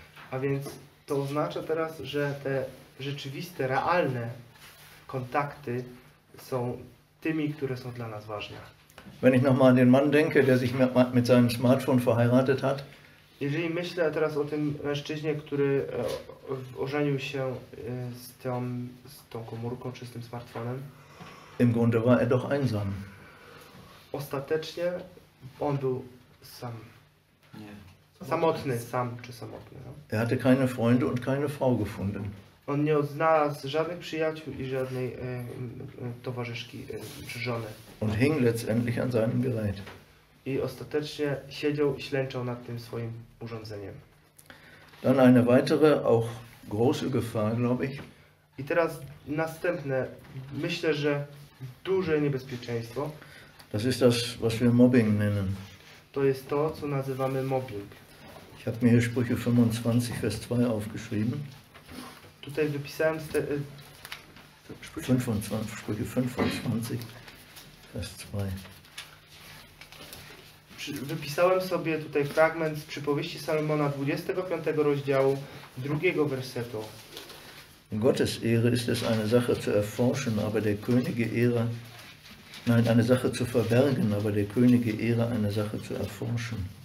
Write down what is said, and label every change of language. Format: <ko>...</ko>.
<pl>A więc to oznacza teraz, że te rzeczywiste, realne kontakty są tymi, które są dla nas ważne.</pl> <de>Wenn ich nochmal an den Mann denke, der sich mit seinem Smartphone verheiratet hat.</de> <pl>Jeżeli myślę teraz o tym mężczyźnie, który ożenił się z tą komórką czy z tym smartfonem.</pl> <de>Im Grunde war er doch einsam.</de> <pl>Ostatecznie on był sam. Nie. Samotny, sam czy samotny. No?</pl> <de>Er hatte keine Freunde und keine Frau gefunden.</de> <pl>On nie odnalazł żadnych przyjaciół i żadnej towarzyszki, żony.</pl> <de>Und hing letztendlich an seinem Gerät.</de> <pl>I ostatecznie siedział i ślęczał nad tym swoim urządzeniem.</pl> <de>Dann eine weitere, auch große Gefahr, glaube ich.</de> <pl>I teraz następne, myślę, że duże niebezpieczeństwo.</pl> <de>Das ist das, was wir Mobbing nennen.</de> <pl>To jest to, co nazywamy mobbing.</pl> <de>Ich habe mir hier Sprüche 25, Vers 2 aufgeschrieben.</de> <pl>Tutaj wypisałem</pl> <de>Sprüche 25, Vers 2.</de> <pl>Wypisałem sobie tutaj fragment z przypowieści Salomona 25 rozdziału, 2 wersetu.</pl> <de>Gottes Ehre ist es eine Sache zu erforschen, aber der Könige Ehre, nein, eine Sache zu verbergen, aber der Könige Ehre eine Sache zu erforschen.</de>